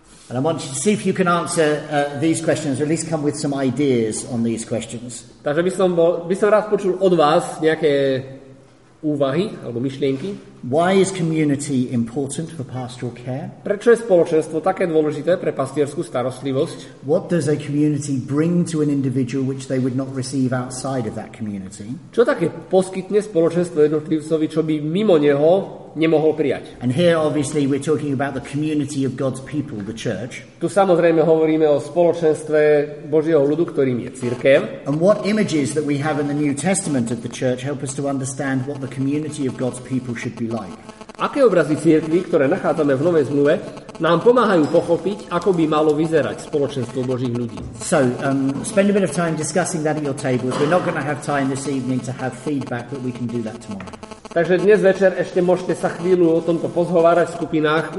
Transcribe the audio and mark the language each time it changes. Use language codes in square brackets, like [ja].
[en] And I want you to see if you can answer these questions, or at least come with some ideas on these questions. [sk] Takže by som rád počul od vás nejaké úvahy alebo myšlienky. [en] Why is community important for pastoral care? [sk] Prečo je spoločenstvo také dôležité pre pastierskú starostlivosť? [en] What does a community bring to an individual which they would not receive outside of that community? [sk] Čo také poskytne spoločenstvo jednotlivcovi, čo by mimo neho nemohol prijať? [en] And here obviously we're talking about the community of God's people, the church. [sk] Tu samozrejme hovoríme o spoločenstve Božieho ľudu, ktorým je cirkev. [en] And what images that we have in the New Testament of the church help us to understand what the community of God's people should be like. [sk] Aké obrazy cirkvi, ktoré nachádzame v Novej zmluve, nám pomáhajú pochopiť, ako by malo vyzerať spoločenstvo Božích ľudí. [en] So, spend a bit of time discussing that at your tables. We're not going to have time this evening to have feedback, but we can do that tomorrow. [sk] Takže dnes večer ešte môžete sa chvíľu o tomto pozhovárať v skupinách.